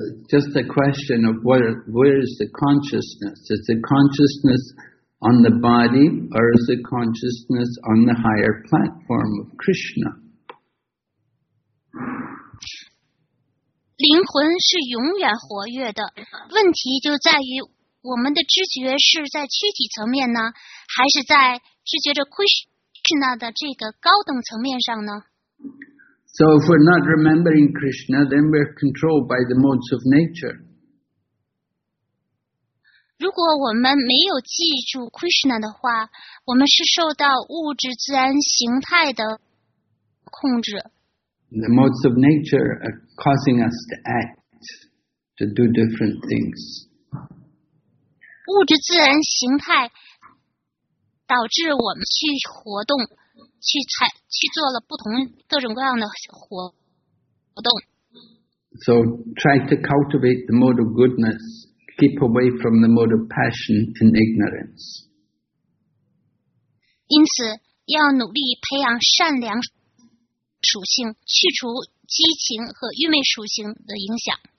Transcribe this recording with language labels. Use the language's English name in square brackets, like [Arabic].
[English] Just a question of where is the consciousness? Is the consciousness on the body, or is the consciousness on the higher platform of Krishna? [Chinese] 灵魂是永远活跃的，问题就在于我们的知觉是在躯体层面呢，还是在知觉着 Krishna 的这个高等层面上呢？ [English] So if we're not remembering Krishna, then we're controlled by the modes of nature. [Chinese] 如果我们没有记住 Krishna 的话，我们是受到物质自然形态的控制。 [English] The modes of nature are causing us to act, to do different things. [Chinese] 物质自然形态导致我们去活动，去做了不同各种各样的活动。 [English] So try to cultivate the mode of goodness, keep away from the mode of passion and ignorance. [Chinese] 因此要努力培养善良属性，去除激情和愚昧属性的影响。